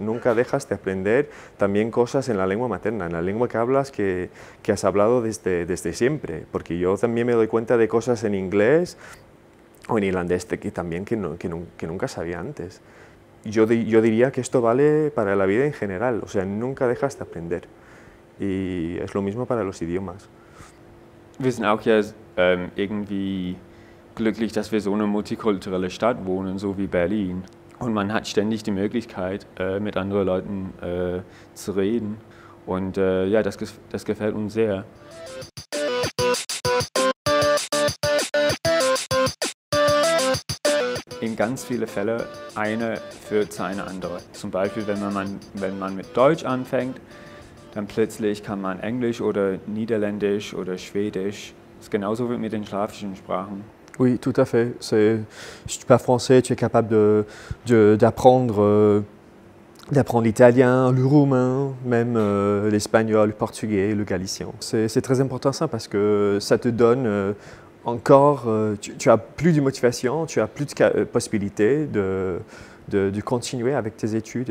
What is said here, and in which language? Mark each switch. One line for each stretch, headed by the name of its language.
Spanish: Nunca dejas de aprender también cosas en la lengua materna, en la lengua que hablas, que has hablado desde siempre. Porque yo también me doy cuenta de cosas en inglés, o en irlandés, que también que nunca sabía antes. Yo diría que esto vale para la vida en general, o sea, nunca dejas de aprender. Y es lo mismo para los idiomas.
German: Wir sind auch hier irgendwie glücklich, dass wir so eine multikulturelle Stadt wohnen, so wie Berlin. Und man hat ständig die Möglichkeit, mit anderen Leuten zu reden. Und ja, das gefällt uns sehr. In ganz vielen Fällen, eine führt zu einer anderen. Zum Beispiel, wenn man mit Deutsch anfängt, dann plötzlich kann man Englisch oder Niederländisch oder Schwedisch. Das ist genauso wie mit den slawischen Sprachen.
French: Oui, tout à fait. Si tu parles français, tu es capable d'apprendre l'italien, le roumain, même l'espagnol, le portugais, le galicien. C'est très important ça parce que ça te donne encore, tu as plus de motivation, tu as plus de possibilités de continuer avec tes études.